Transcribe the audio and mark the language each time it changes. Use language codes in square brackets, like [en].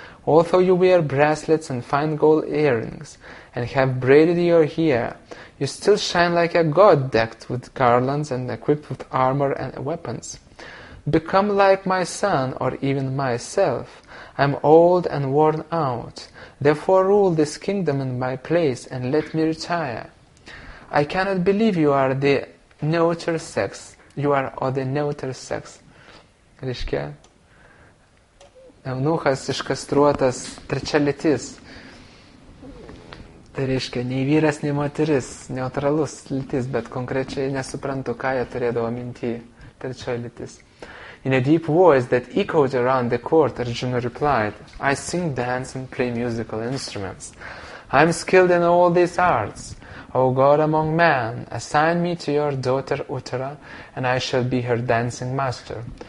[en] Although you wear bracelets and fine gold earrings and have braided your hair, you still shine like a god decked with garlands and equipped with armor and weapons. Become like my son or even myself. I am old and worn out. Therefore rule this kingdom in my place and let me retire. I cannot believe you are the neuter sex. You are of the neuter sex. [lt] Reiškia, eunuchas iškastruotas trečia lytis. Tai reiškia, nei vyras, nei moteris, neutralus lytis, bet konkrečiai nesuprantu, ką jie turėdavo minti trečia lytis. [en] In a deep voice that echoed around the court, Arjuna replied, I sing, dance, and play musical instruments. I am skilled in all these arts. O God among men, assign me to your daughter Uttara, and I shall be her dancing master.